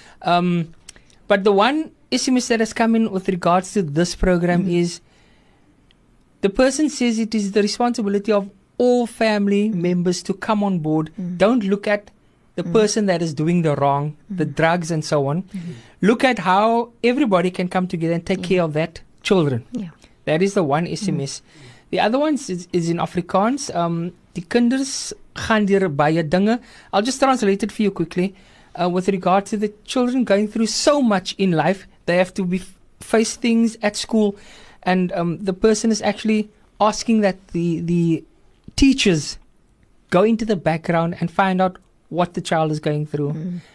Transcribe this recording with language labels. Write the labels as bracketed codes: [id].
[en] But the one SMS that has come in with regards to this program is, the person says it is the responsibility of all family members to come on board. Don't look at the person that is doing the wrong, the drugs and so on. Look at how everybody can come together and take care of that children. That is the one SMS. The other one is in Afrikaans. [af] Die kinders gaan deur baie dinge. [en] I'll just translate it for you quickly. With regard to the children going through so much in life, they have to face things at school. And the person is actually asking that the teachers go into the background and find out what the child is going through.